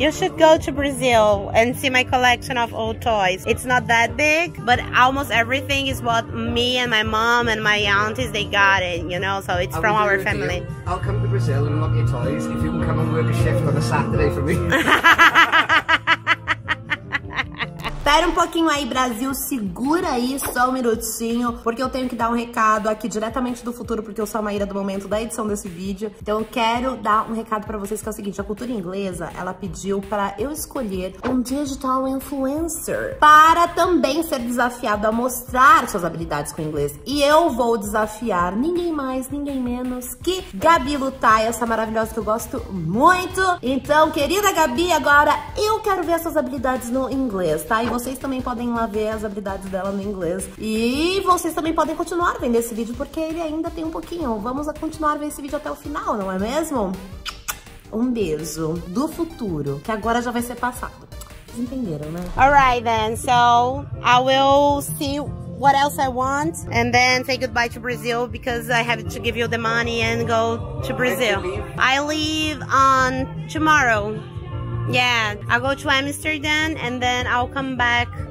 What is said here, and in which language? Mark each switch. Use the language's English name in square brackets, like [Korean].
[English] You should go to Brazil and see my collection of old toys. It's not that big, but almost everything is what me and my mom and my aunties, they got it, you know? So it's from our family. I'll come to Brazil and unlock your toys if you can come and work a shift on a Saturday for me. [Portuguese] Espera um pouquinho aí, Brasil, segura aí só um minutinho, porque eu tenho que dar um recado aqui diretamente do futuro, porque eu sou a Maíra do momento da edição desse vídeo. Então eu quero dar um recado pra vocês, que é o seguinte: a cultura inglesa, ela pediu pra eu escolher um digital influencer para também ser desafiado a mostrar suas habilidades com inglês. E eu vou desafiar ninguém mais, ninguém menos que Gabi Lutai, essa maravilhosa que eu gosto muito. Então, querida Gabi, agora eu quero ver suas habilidades no inglês, tá? E vocês também podem ir lá ver as habilidades dela no inglês. E vocês também podem continuar vendo esse vídeo, porque ele ainda tem um pouquinho. Vamos continuar vendo esse vídeo até o final, não é mesmo? Um beijo do futuro, que agora já vai ser passado. Vocês entenderam, né? [English] Alright then, so I will see what else I want. And then say goodbye to Brazil, because I have to give you the money and go to Brazil. I leave on tomorrow. Yeah, I'll go to Amsterdam and then I'll come back.